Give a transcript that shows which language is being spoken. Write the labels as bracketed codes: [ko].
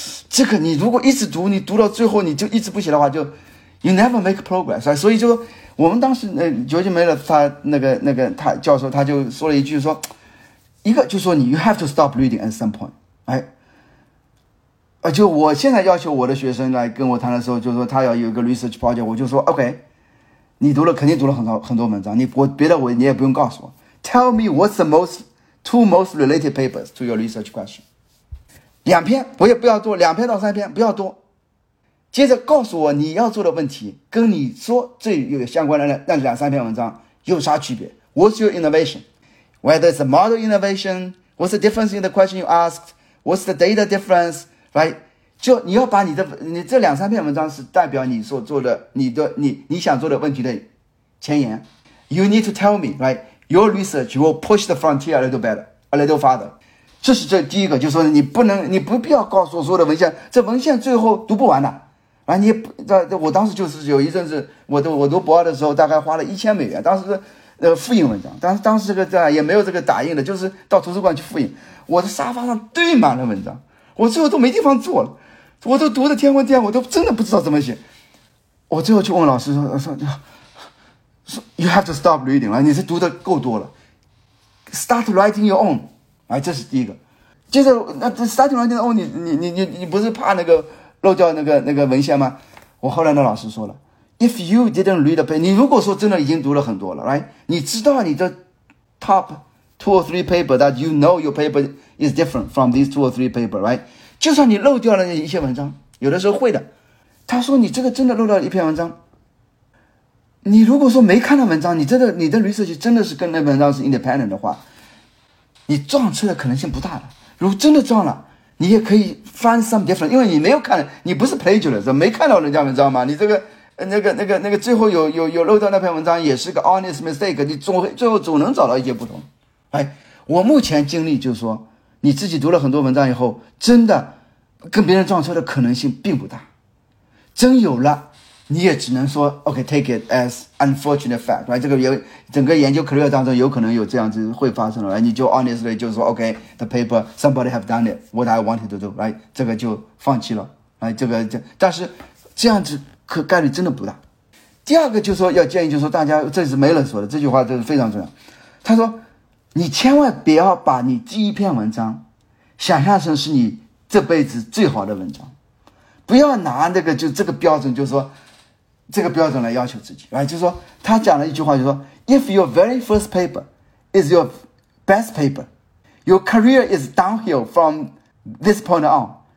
[zh] 这个你如果一直读，你读到最后你就一直不写的话，就 [en] you never make progress， [zh] 所以就我们当时George Maloff他那个他教授他就说了一句，说一个就说你 [en] you have to stop reading at some point， [zh] 哎，就我现在要求我的学生来跟我谈的时候，就说他要有一个 research project， 我就说 OK。你读了肯定读了很多文章，你也不用告诉我。 [en] Tell me what's the two most related papers to your research question。 [zh] 两篇我也不要多，两篇到三篇不要多。接着告诉我你要做的问题跟你说最有相关的那两三篇文章有啥区别 ？ [en] What's your innovation? Whether it's a model innovation? What's the difference in the question you asked? What's the data difference? Right? [zh] 就你要把你这两三篇文章是代表你所做的你想做的问题的前沿。 [en] You need to tell me, right? Your research will push the frontier a little better, a little farther. [zh] 这是这第一个，就是说你不必要告诉我所有的文献，这文献最后读不完的。啊，你这我当时就是有一阵子，我读博二的时候，大概花了$1000，当时复印文章，当时这个对吧，也没有这个打印的，就是到图书馆去复印，我的沙发上堆满了文章。我最后都没地方坐了，我都读的天昏地暗，我都真的不知道怎么写。我最后去问老师说 ， [en] You have to stop reading [zh] 了，你是读的够多了 ， [en] Start writing your own， [zh] 哎，这是第一个。接着，那 [en] Start writing your own， [zh] 你不是怕那个漏掉那个文献吗？我后来那老师说了 ， [en] If you didn't read a paper， [zh] 你如果说真的已经读了很多了，来，你知道你的 [en] top two or three paper that you know your paper。 is different from these two or three paper, right? [zh] 就算你漏掉了一些文章，有的时候会的。他说你这个真的漏掉了一篇文章，你如果说没看到文章，你的 research 真的是跟那文章是 independent 的话，你撞车的可能性不大的。如果真的撞了，你也可以 [en] find some different， [zh] 因为你没有看，你不是 plagiarist， 没看到人家文章嘛。你这个那个最后有漏掉那篇文章也是个 [en] honest mistake， [zh] 你最后总能找到一些不同。哎，我目前经历就是说，你自己读了很多文章以后，真的跟别人撞车的可能性并不大。真有了，你也只能说 [en] OK take it as unfortunate fact， right？ [zh] 这个整个研究 career 当中有可能有这样子会发生了，你就 honestly 就说 [en] OK the paper somebody have done it what I wanted to do， right？ [zh] 这个就放弃了，right？ 但是这样子可概率真的不大。第二个就是说要建议，就是说大家，这是没人说的这句话，这是非常重要。他说你千万不要把你第一篇文章想象成是你这辈子最好的文章，不要拿那个就这个标准，就是说这个标准来要求自己，right？ 就是说他讲了一句话，就是说 [en] If your very first paper is your best paper, your career is downhill from this point on.